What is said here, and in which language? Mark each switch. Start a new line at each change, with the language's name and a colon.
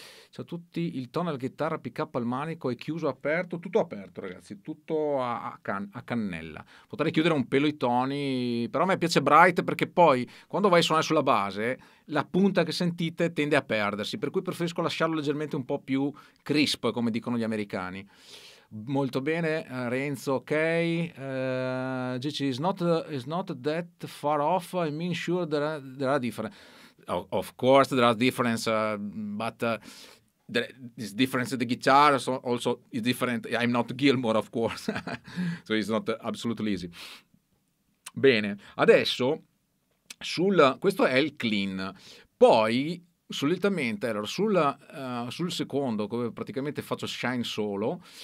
Italian: Ciao a tutti, il tono della chitarra, pick up al manico è chiuso, aperto, tutto aperto ragazzi, tutto a cannella. Potrei chiudere un pelo i toni, però a me piace bright perché poi quando vai a suonare sulla base la punta che sentite tende a perdersi, per cui preferisco lasciarlo leggermente un po' più crisp, come dicono gli americani. Molto bene, Renzo, ok.
English: Gigi, it's not that far off. I mean, sure, there are differences. Of course, there are differences, but this difference in the guitar also is different. I'm not Gilmour, of course. So it's not absolutely easy.
Italian: Bene, adesso questo è il clean. Poi, solitamente, allora, sul secondo, come praticamente faccio shine solo.